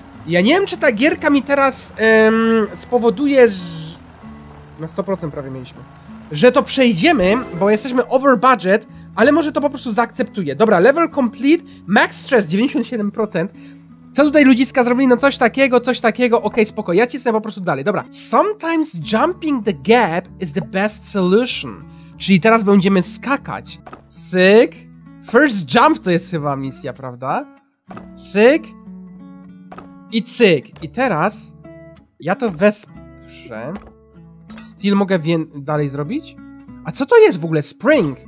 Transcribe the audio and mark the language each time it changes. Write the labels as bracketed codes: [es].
[pl] Ja nie wiem, czy ta gierka mi teraz spowoduje, że... Na 100% prawie mieliśmy. Że to przejdziemy, bo jesteśmy [en] over budget, [pl] ale może to po prostu zaakceptuje. Dobra, [en] level complete, max stress [pl] 97%. Co tutaj ludziska zrobili? No coś takiego, okej, spoko. Ja cisnę po prostu dalej, dobra. [en] Sometimes jumping the gap is the best solution. [pl] Czyli teraz będziemy skakać. Cyk. [en] First jump [pl] to jest chyba misja, prawda? Cyk. I cyk. I teraz ja to wesprzę. Steel mogę dalej zrobić? A co to jest w ogóle? Spring.